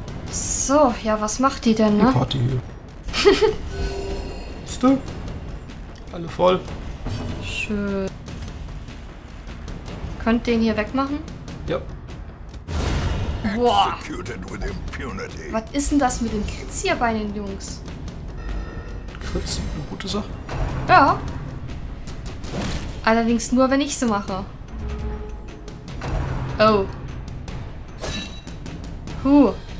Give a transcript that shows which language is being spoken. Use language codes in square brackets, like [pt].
[de] So, ja, was macht die denn, ne? Die Party hier. Bist du? Alle voll. Schön. Könnt den hier wegmachen? Ja. [en] Executed with impunity. [de] Was ist denn das mit den Krits hier bei den Jungs? Krits sind eine gute Sache. Ja. Allerdings nur, wenn ich sie mache. Oh. Huh.